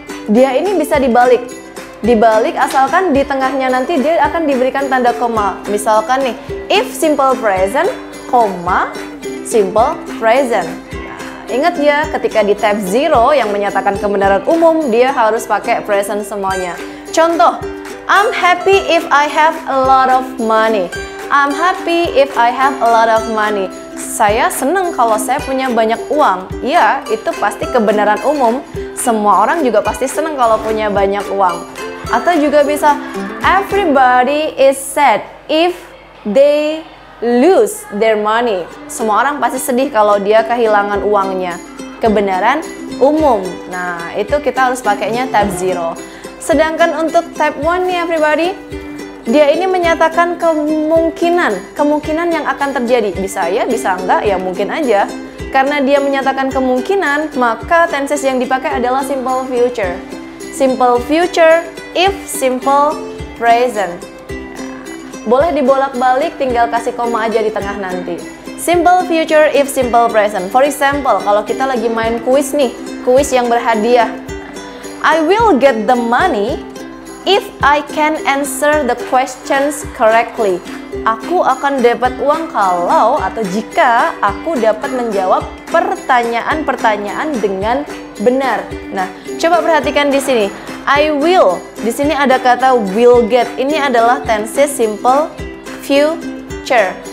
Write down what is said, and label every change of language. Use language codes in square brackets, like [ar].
[id] Dia ini bisa dibalik. Dibalik asalkan di tengahnya nanti dia akan diberikan tanda koma. Misalkan nih, if simple present, koma, simple present. Nah, ingat ya, ketika di type 0 yang menyatakan kebenaran umum, dia harus pakai present semuanya. [en] Contoh, I'm happy if I have a lot of money. I'm happy if I have a lot of money. [id] Saya senang kalau saya punya banyak uang. Ya, itu pasti kebenaran umum. Semua orang juga pasti senang kalau punya banyak uang. Atau juga bisa, [en] everybody is sad if they lose their money. [id] Semua orang pasti sedih kalau dia kehilangan uangnya. Kebenaran umum. Nah, itu kita harus pakainya type 0. Sedangkan untuk type 1 nih everybody, dia ini menyatakan kemungkinan, kemungkinan yang akan terjadi. Bisa ya, bisa enggak, ya mungkin aja. Karena dia menyatakan kemungkinan, maka tenses yang dipakai adalah simple future. [en] Simple future, if simple present. [id] Boleh dibolak-balik, tinggal kasih koma aja di tengah nanti. [en] Simple future, if simple present. For example, [id] kalau kita lagi main kuis nih, kuis yang berhadiah. [en] I will get the money if I can answer the questions correctly. [id] Aku akan dapat uang kalau atau jika aku dapat menjawab pertanyaan-pertanyaan dengan benar. Nah, coba perhatikan di sini. I will. Di sini ada kata will get. Ini adalah tenses simple future.